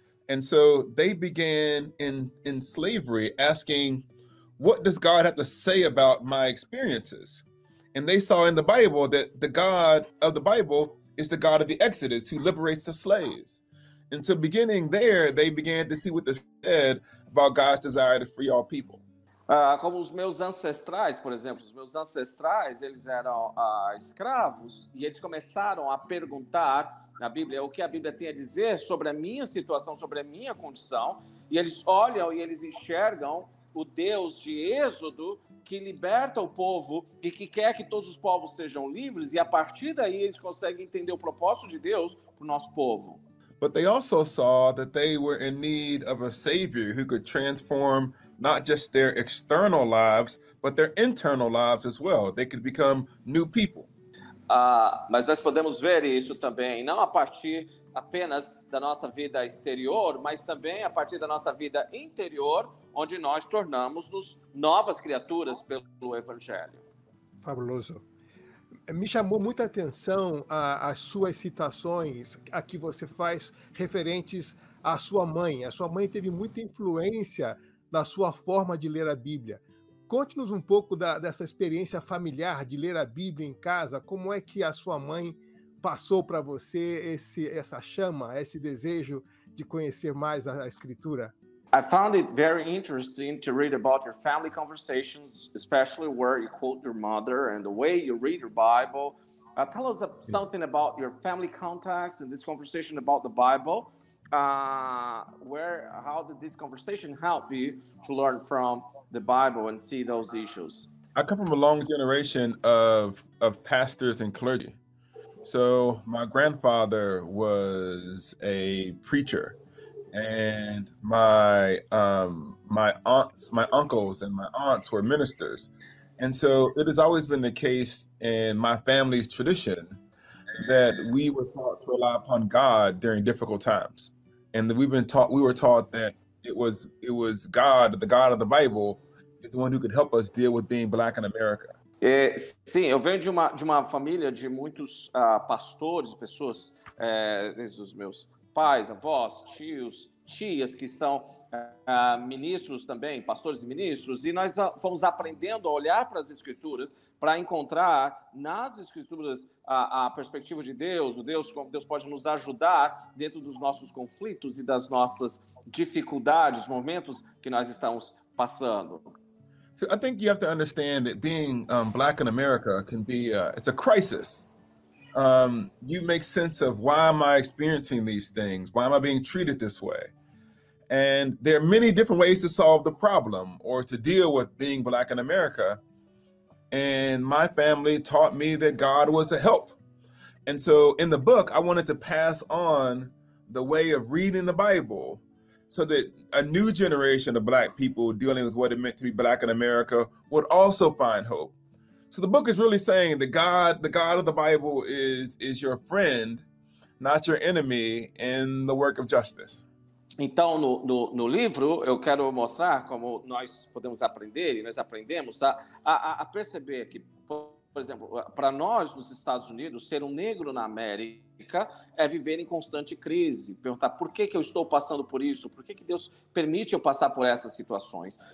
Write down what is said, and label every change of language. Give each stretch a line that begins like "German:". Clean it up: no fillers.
English: And so they began in slavery asking, what does God have to say about my experiences? And they saw in the Bible that the God of the Bible is the God of the Exodus, who liberates the slaves. And so beginning there, they began to see what they said about God's desire to free all people.
Portuguese: Como os meus ancestrais, por exemplo, os meus ancestrais, eles eram escravos e eles começaram a perguntar na Bíblia o que a Bíblia tem a dizer sobre a minha situação, sobre a minha condição, e eles olham e eles enxergam o Deus de Êxodo que liberta o povo e que quer que todos os povos sejam livres, e a partir daí eles conseguem entender o propósito de Deus para o nosso povo.
English: But they also saw that they were in need of a savior who could transform not just their external lives, but their internal lives as well. They could become new people.
Portuguese: Mas nós podemos ver isso também, não a partir apenas da nossa vida exterior, mas também a partir da nossa vida interior, onde nós tornamos-nos novas criaturas pelo Evangelho. Fabuloso. Me chamou muita atenção as suas citações a que você faz referentes à sua mãe. A sua mãe teve muita influência na sua forma de ler a Bíblia. Conte-nos um pouco dessa experiência familiar de ler a Bíblia em casa. Como é que a sua mãe passou para você essa chama, esse desejo de conhecer mais a Escritura?
English: I found it very interesting to read about your family conversations, especially where you quote your mother and the way you read your Bible. Tell us something about your family contacts and this conversation about the Bible. How did this conversation help you to learn from the Bible and see those issues? I come from a long generation of pastors and clergy. So my grandfather was a preacher, and my aunts, my uncles and my aunts were ministers. And so it has always been the case in my family's tradition that we were taught to rely upon God during difficult times. And we were taught that it was God, the God of the Bible, is the one who could help us deal with being Black in America.
Portuguese: Sim, eu venho de uma família de muitos pastores, pessoas, desde os meus pais, avós, tios, tias, que são ministros também, pastores e ministros, e nós fomos aprendendo a olhar para as Escrituras para encontrar nas Escrituras a perspectiva de Deus, o Deus como Deus pode nos ajudar dentro dos nossos conflitos e das nossas dificuldades, momentos que nós estamos passando.
English: So I think you have to understand that being Black in America can be it's a crisis. You make sense of why am I experiencing these things? Why am I being treated this way? And there are many different ways to solve the problem or to deal with being Black in America. And my family taught me that God was a help. And so in the book, I wanted to pass on the way of reading the Bible so that a new generation of Black people dealing with what it meant to be Black in America would also find hope. So the book is really saying that the God of the Bible is your friend, not your enemy, in the work of justice.
Portuguese: Então, no livro, eu quero mostrar como nós podemos aprender, e nós aprendemos a perceber que, por exemplo, para nós, nos Estados Unidos, ser um negro na América é viver em constante crise. Perguntar por que eu estou passando por isso, por que Deus permite eu passar por essas situações.